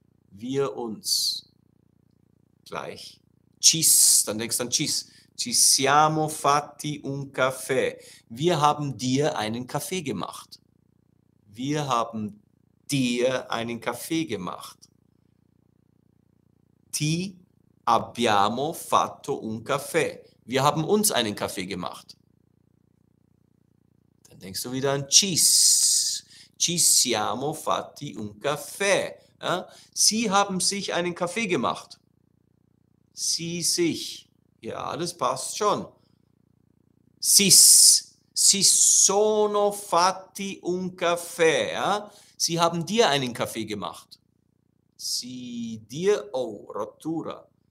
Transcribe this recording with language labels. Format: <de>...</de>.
<de>Wir uns. Gleich. Cis, dann denkst du an Cis.</de> <it>Ci siamo fatti un caffè.</it> <de>Wir haben dir einen Kaffee gemacht. Wir haben dir einen Kaffee gemacht.</de> <it>Ti abbiamo fatto un caffè.</it> <de>Wir haben uns einen Kaffee gemacht. Dann denkst du wieder an</de> <it>Ci siamo fatti un caffè.</it> <de>Ja? Sie haben sich einen Kaffee gemacht. Sie sich. Ja, das passt schon.</de> <it>Si sono fatti un caffè.</it> <de>Ja? Sie haben dir einen Kaffee gemacht. Si dir,</de> <it>oh, rottura.</it>